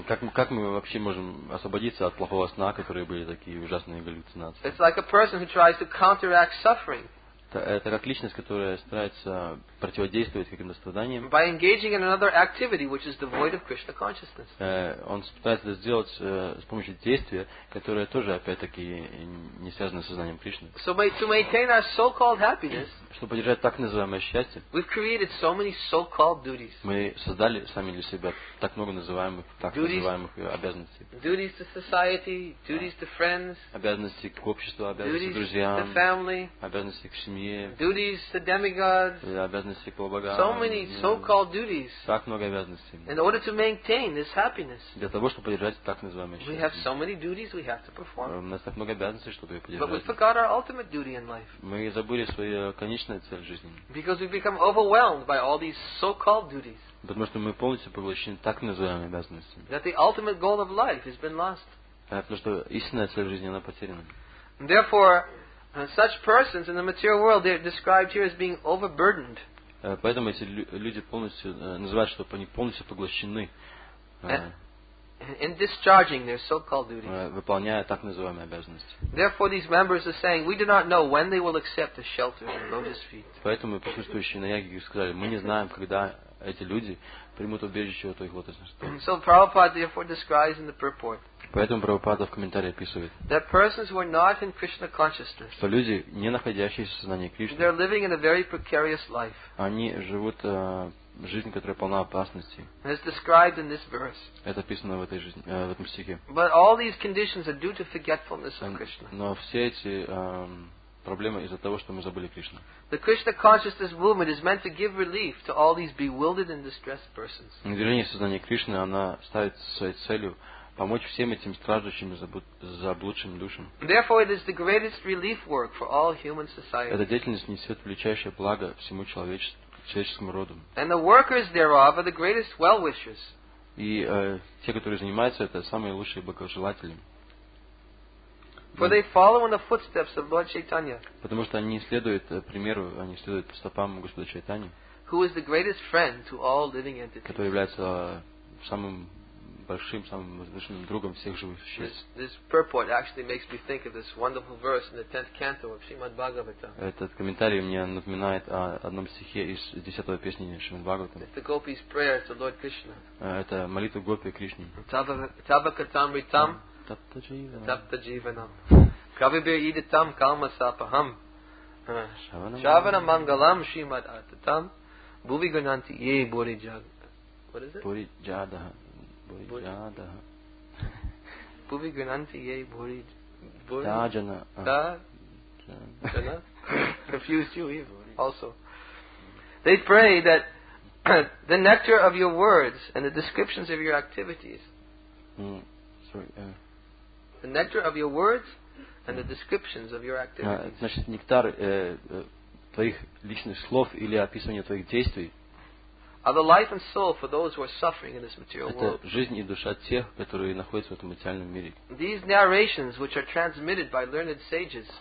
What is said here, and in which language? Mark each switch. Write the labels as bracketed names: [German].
[Russian] Как мы вообще можем освободиться от плохого сна, которые были такие ужасные галлюцинации? [English] It's like a person who tries to counteract suffering. [Russian] Это как личность, которая старается противодействовать каким-то страданиям. [English] By engaging in another activity, which is devoid of Krishna consciousness. [Russian] Он пытается это сделать с помощью действия, которое тоже, опять-таки, не связано с сознанием Кришны. [English] So to maintain our so-called happiness. [Russian] Чтобы поддержать так называемое счастье. [English] We've created so many so-called duties. [Russian] Мы создали сами для себя так много называемых, так называемых обязанностей. [English] Duties to society, duties to friends. [Russian] Обязанности к обществу, обязанности к друзьям. [English] To family. [Russian] Обязанности к семье. [English] Duties to demigods. [Russian] Обязанности к полубогам. [English] So many so-called duties. [Russian] Так много обязанностей. [English] In order to maintain this happiness. [Russian] Для того, чтобы поддержать так называемое счастье. [English] We have so many duties we have to perform. [Russian] У нас так много обязанностей, чтобы ее поддержать. [English] But we forgot our ultimate duty in life. [Russian] Мы забыли свою конечную цель жизни. [English] Because we become overwhelmed by all these so-called duties. [Russian] Потому что мы полностью поглощены так называемыми обязанностями. [English] That the ultimate goal of life has been lost. [Russian] Потому что истинная цель жизни она потеряна. [English] Therefore, such persons in the material world they're described here as being overburdened. [Russian] Поэтому эти люди полностью называют, что они полностью поглощены. [English] In discharging their so-called duties. [Russian] Выполняя так называемые обязанности. [English] Therefore, these members are saying, we do not know when they will accept the shelter of lotus feet. [Russian] Поэтому присутствующие на яге сказали, мы не знаем, когда эти люди примут убежище у твоих лотосных стоп. [English] So Prabhupada therefore describes in the purport. [Russian] Поэтому Прабхупада в комментарии описывает. [English] That persons who are not in Krishna consciousness. [Russian] Что люди, не находящиеся в сознании Кришны. [English] They are living in a very precarious life. [Russian] Они живут жизнь, которая полна опасностей. [English] It's described in this verse. [Russian] Это описано в этой жизни, в этом стихе. [English] But all these conditions are due to forgetfulness of Krishna. [Russian] Но все эти проблемы из-за того, что мы забыли Кришну. [English] The Krishna consciousness movement is meant to give relief to all these bewildered and distressed persons. [Russian] Движение сознания Кришны, оно ставит своей целью помочь всем этим страждущим и заблудшим душам. [English] Therefore, it is the greatest relief work for all human society. [Russian] Эта деятельность несет величайшее благо всему человечеству. [English] And the workers thereof are the greatest well-wishers. [Russian] И те, которые занимаются, это самые лучшие благожелатели. [English] For they follow in the footsteps of Lord Chaitanya. [Russian] Потому что они следуют примеру, они следуют по стопам Господа Чайтани. [English] Who is the greatest friend to all living entities? [Russian] Который является самым большим, самым возвышенным другом всех живых существ. [English] This purport actually makes me think of this wonderful verse in the 10th canto of Srimad Bhagavatam. [Russian] Этот комментарий мне напоминает о одном стихе из 10-й песни Шримад Бхагаватам. [English] It's the gopi's prayer to Lord Krishna. [Russian] Это молитва гопи Кришне. [Sanskrit] Тавакатам ритам тапта дживанам кавибир идитам калма сапахам шавана мангалам шримад аттатам буви гананти е бори джаг. [English] What is it? [Sanskrit] Бори джадаха. Bhuvi Gunanti Ye Bhuri Dajana. [English] Dajana? Confused you even. Also. They pray that the nectar of your words and the descriptions of your activities. The nectar of your words and the descriptions of your activities. [Russian] Значит, нектар твоих личных слов или описание твоих действий. [English] are the life and soul for those who are suffering in this material world. [Russian] Это жизнь и душа тех, которые находятся в этом материальном мире. [English] These narrations, which are transmitted by learned sages,